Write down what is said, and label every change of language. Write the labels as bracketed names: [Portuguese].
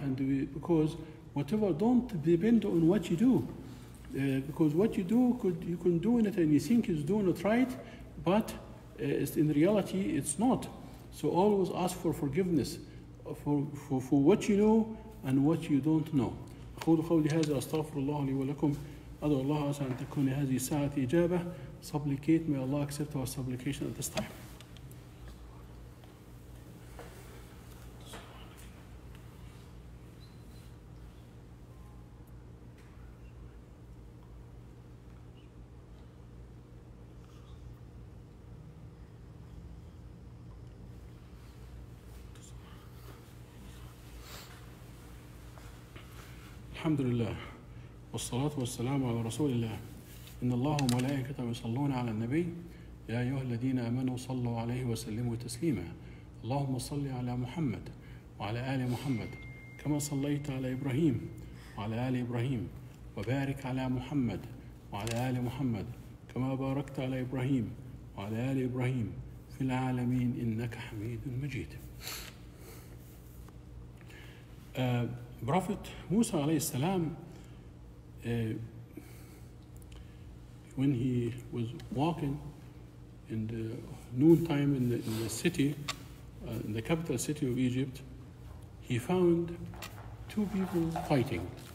[English] And because whatever, don't depend on what you do. Because what you do, you can do it and you think it's doing it right, but in reality, it's not. So always ask for forgiveness for what you know and what you don't know. [Arabic] أقول قولي هذا أستغفر الله لي ولكم أدعو الله عز أن تكون هذه ساعة إجابة. [English] Supplicate, may Allah accept our supplication at this time. [Arabic] الحمد لله والصلاة والسلام على رسول الله. إن الله وملائكته يصلون على النبي. يا أيها الذين آمنوا صلوا عليه وسلموا تسليما. اللهم صل على محمد وعلى آل محمد كما صليت على إبراهيم وعلى آل إبراهيم، وبارك على محمد وعلى آل محمد كما باركت على إبراهيم وعلى آل إبراهيم في العالمين إنك حميد مجيد. [English] Prophet Musa alayhi salam, when he was walking in the noontime in the city, in the capital city of Egypt, he found two people fighting.